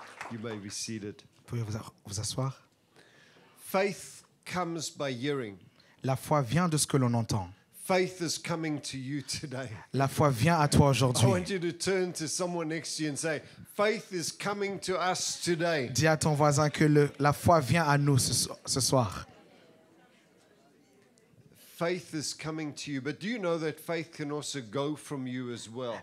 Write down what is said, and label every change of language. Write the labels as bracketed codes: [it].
[en] You may be seated. [fr] Pouvez-vous vous asseoir? [en] Faith comes by hearing. [fr] La foi vient de ce que l'on entend. [en] Faith is coming to you today. [fr] La foi vient à toi aujourd'hui. [en] I want you to turn to someone next to you and say, "Faith is coming to us today." [fr] Dis à ton voisin que la foi vient à nous ce soir. [en] Faith is coming to you, but do you know that faith can also go from you as well?